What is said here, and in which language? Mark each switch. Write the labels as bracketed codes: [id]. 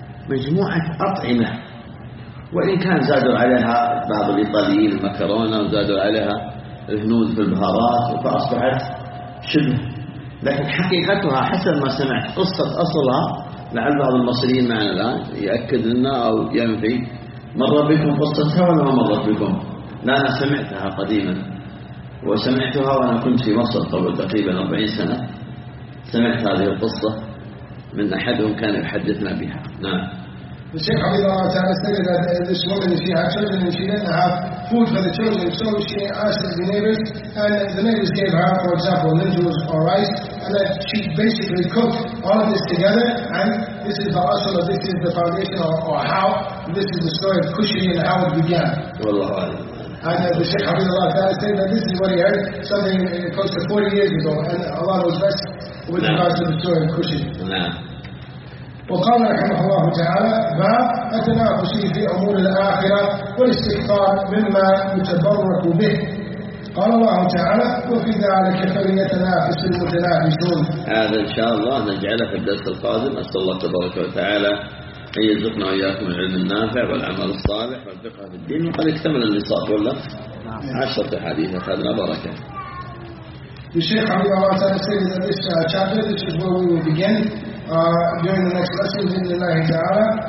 [ar] مجموعة أطعمة وإن كان زادوا عليها بعض الإيطاليين المكرونة وزادوا عليها الهنود في البهارات فأصبحت شبه لكن حقيقتها حسب ما سمعت قصة أصلها لعل بعض المصريين معنا الآن يأكد لنا أو ينفي مر بكم قصتها ولا ما مر بكم لا أنا سمعتها قديما وسمعتها وأنا كنت في مصر قبل تقريبا 40 سنة سمعت هذه القصة من أحدهم كان يحدثنا بها نعم [en] The Shaykh Abdul Allah Ta'ala stated that this woman, she had children and she didn't have food for the children, so she asked the neighbors, and the neighbors gave her, for example, lentils or rice, and that she basically cooked all of this together, and this is the asal, this is the foundation, or how, this is the story of Kushari and how it began. And the Shaykh Abdul Allah Ta'ala stated that this is what he heard, something close to 40 years ago, and Allah knows best with regards to the story of Kushari. [ar] وقال رحمه الله تعالى باب التنافس في أمور الآخرة والاستكثار مما يتبرك به قال الله تعالى وفي ذلك فليتنافس المتنافسون هذا إن شاء الله نجعله في الدرس القادم أسأل الله تبارك وتعالى أن يرزقنا وإياكم العلم النافع والعمل الصالح والفقه في الدين وقد اكتمل النصاب والله عشرة حديث أخذنا بركة [en] The Shaykh Abdul Allah Ta'ala said that this chapter, this is where we will begin during the next lesson, Bismillah Ta'ala.